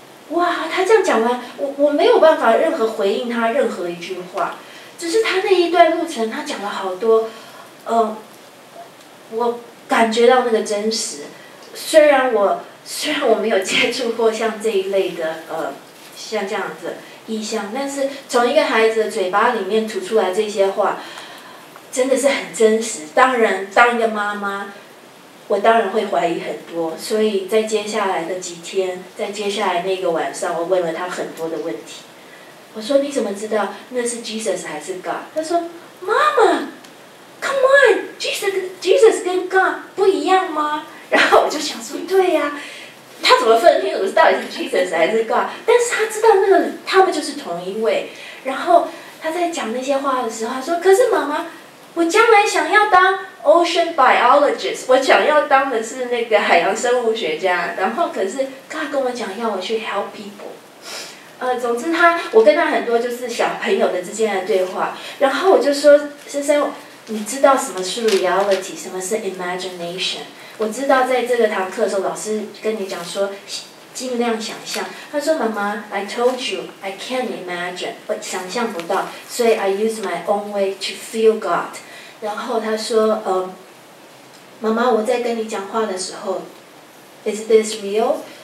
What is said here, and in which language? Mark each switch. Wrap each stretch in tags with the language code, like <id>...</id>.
<zh>哇，他这样讲完，我没有办法任何回应他任何一句话，只是他那一段路程，他讲了好多，我感觉到那个真实，虽然我没有接触过像这一类的像这样子意象，但是从一个孩子的嘴巴里面吐出来这些话，真的是很真实。当然，当一个妈妈，我当然会怀疑很多。所以在接下来的几天，在接下来那个晚上，我问了他很多的问题。我说：“你怎么知道那是 Jesus 还是 God？” 他说：“妈妈。”</zh> <en>Come on,</en> <zh>Jesus 跟 God 不一样吗？然后我就想说，对呀，他怎么分清楚到底是 Jesus 还是 God？但是他知道那个他们就是同一位。然后他在讲那些话的时候，他说：“可是妈妈，我将来想要当</zh> <en>ocean biologist，</en> <zh>我想要当的是那个海洋生物学家。然后可是 God 跟我讲要我去</zh> <en>help people。”</en> <zh>总之他，我跟他很多就是小朋友的之间的对话。然后我就说：“先生。” 你知道什么是 reality， 什么是 imagination？我知道在这个堂课的时候，老师跟你讲说，尽量想象。他说：“妈妈 ，</zh> <en>I told you I can't imagine，</en> <zh>我想象不到，所以</zh> <en>I use my own way to feel God。”</en> <zh>然后他说：“妈妈，我在跟你讲话的时候 ，</zh> <en>is this real？”</en>